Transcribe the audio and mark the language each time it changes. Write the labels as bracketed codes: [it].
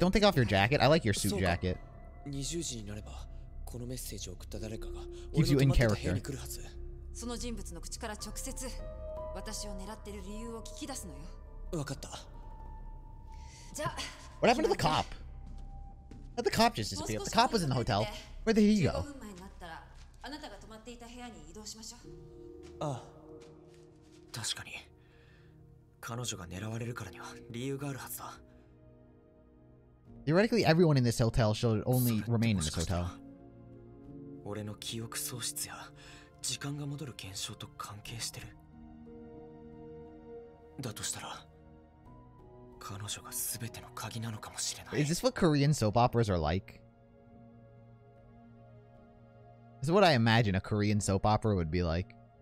[en] don't take off your jacket. I like your suit jacket. Keeps you in character. [ja] その人物の口から直接私を狙ってる理由を聞き出すのよ。わかった。じゃあ。 [en] What happened to the cop? How'd the cop just disappear? The cop was in the hotel. Where did he go? [ja] 15分前になったらあなたが泊まっていた部屋に移動しましょう。ああ。確かに。彼女が狙われるからには理由があるはずだ。 [en] Theoretically, everyone in this hotel should only remain in this hotel. [ja] 俺の記憶喪失や時間が戻る現象と関係してる。だとしたら、彼女がすべての鍵なのかもしれない。 [en] Is this what Korean soap operas are like? This is what I imagine a Korean soap opera would be like.